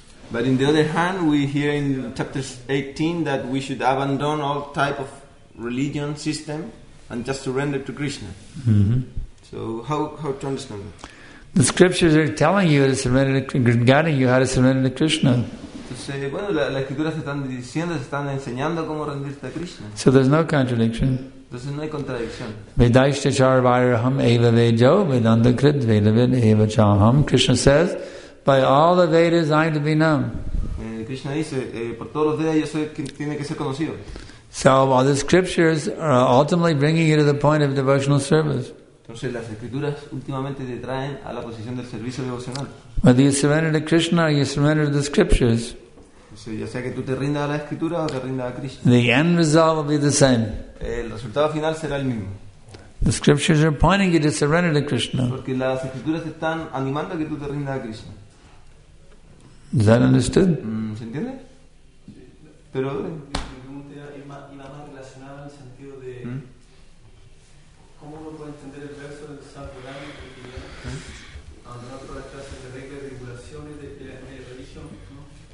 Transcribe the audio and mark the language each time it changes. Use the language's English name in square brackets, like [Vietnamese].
[English] But on the other hand, we hear in chapter 18 that we should abandon all type of religion system and just surrender to Krishna. Mm-hmm. So how to understand that? The scriptures are telling you to surrender, guiding you how to surrender to Krishna. [Spanish] Entonces, bueno, las escrituras están diciendo, están enseñando cómo rendirte a Krishna. [English] So there's no contradiction. [Spanish] Entonces no hay contradicción. [Sanskrit] Vedaishta charvairaham eva vejo vedanta krit vedavid eva chaham. [English] Krishna says, by all the Vedas I am to be known. [Spanish] Krishna dice, por todos los Vedas yo soy quien tiene que ser conocido. [English] So all the scriptures are ultimately bringing you to the point of devotional service. [Spanish] Entonces las escrituras últimamente te traen a la posición del servicio devocional. [English] Whether you surrender to Krishna or you surrender to the scriptures, [Spanish] ya sea que tú te rindas a la escritura o te rindas a Krishna, [English] the end result will be the same. [Spanish] El resultado final será el mismo. [English] The scriptures are pointing you to surrender to Krishna. [Spanish] Porque las escrituras están animando a que tú te rindas a Krishna. [English] Is that understood? [Spanish] ¿Se entiende? Sí. Pero mi pregunta iba más relacionada en el sentido de cómo uno puede entender el verso del Santo Dharma, porque abandonar todas las clases de reglas y regulaciones de religión, ¿no?